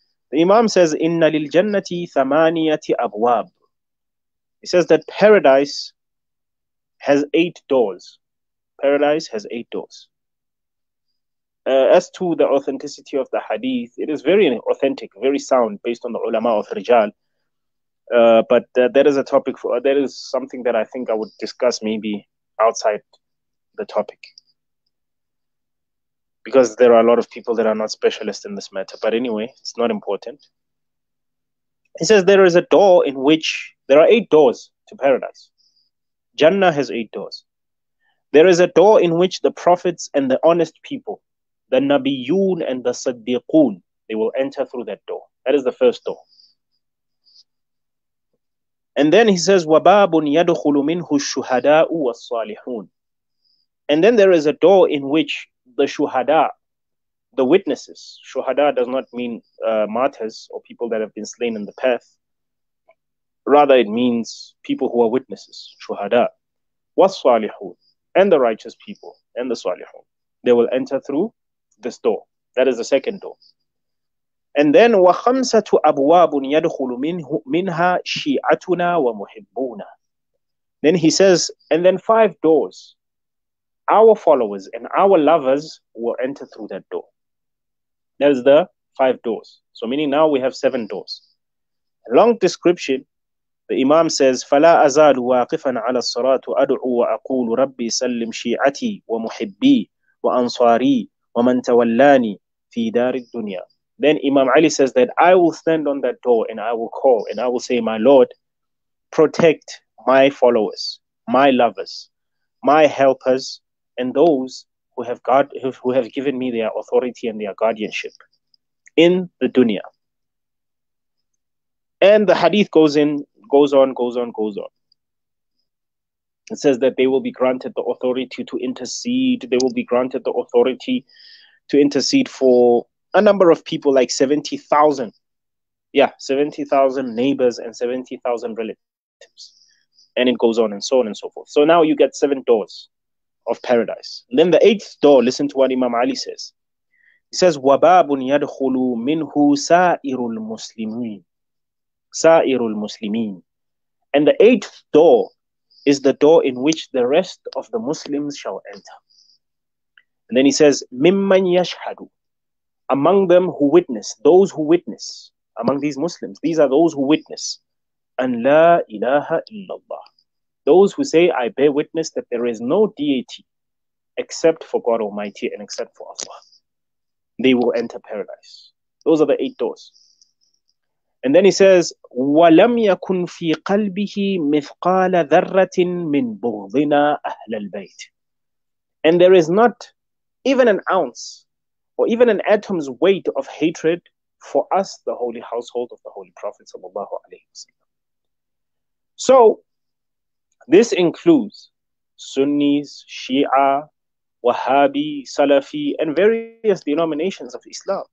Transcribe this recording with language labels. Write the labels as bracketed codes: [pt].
[en] The Imam says, [ar] إِنَّ لِلْجَنَّةِ ثَمَانِيَةِ أَبْوَابٍ. [en] He says that paradise has eight doors. Paradise has eight doors. As to the authenticity of the hadith, it is very authentic, very sound, based on the ulama of Rijal. But that is a topic for, that is something that I think I would discuss maybe outside the topic, because there are a lot of people that are not specialists in this matter. But anyway, it's not important. He says there is a door in which, there are eight doors to paradise. Jannah has eight doors. There is a door in which the prophets and the honest people, the Nabiyun and the Siddiqun, they will enter through that door. That is the first door. And then he says, [ar] وَبَابٌ يَدْخُلُ مِنْهُ الشُّهَدَاءُ وَالصَّالِحُونَ. [en] And then there is a door in which the shuhada, the witnesses, shuhada does not mean martyrs or people that have been slain in the path. Rather, it means people who are witnesses, shuhada. [ar] وَالصَّالِحُونَ. [en] And the righteous people and the salihun, they will enter through this door. That is the second door. And then [ar] وَخَمْسَةُ أَبْوَابٌ يَدْخُلُ مِنْهَا شِيَعَتُنَا وَمُحِبُّونَ. [en] Then he says, and then five doors, our followers and our lovers will enter through that door. That is the five doors. So meaning now we have seven doors. A long description. The Imam says, [ar] فَلَا أَزَالُ وَاقِفًا عَلَى الصَّلَاةُ أَدْعُو وَأَقُولُ رَبِّي سَلِّمْ شِيعَتِي وَمُحِبِّي وَأَنصَارِي وَمَنْ تَوَلَّانِي فِي دَارِ الدُّنْيَا. [en] Then Imam Ali says that I will stand on that door and I will call and I will say, my Lord, protect my followers, my lovers, my helpers, and those who have God, who have given me their authority and their guardianship in the dunya. And the hadith goes in, goes on. It says that they will be granted the authority to intercede. They will be granted the authority to intercede for a number of people, like 70,000. Yeah, 70,000 neighbors and 70,000 relatives. And it goes on and so on and so forth. So now you get seven doors of paradise. And then the eighth door, listen to what Imam Ali says. He says, [ar] وَبَابٌ يَدْخُلُ مِنْهُ سَائِرُ الْمُسْلِمِينَ. Sa'irul Muslimin. [en] And the eighth door is the door in which the rest of the Muslims shall enter. And then he says, [ar] Mimman yashhadu, [en] among them who witness, those who witness, among these Muslims, these are those who witness, [ar] an la ilaha illallah, [en] those who say, I bear witness that there is no deity except for God Almighty and except for Allah. They will enter paradise. Those are the eight doors. And then he says, [ar] وَلَمْ يَكُنْ فِي قَلْبِهِ مِثْقَالَ ذَرَّةٍ مِّنْ بُغْضِنَا أَهْلَ الْبَيْتِ. [en] And there is not even an ounce or even an atom's weight of hatred for us, the holy household of the Holy Prophet sallallahu alayhi wa sallam. So this includes Sunnis, Shia, Wahhabi, Salafi, and various denominations of Islam.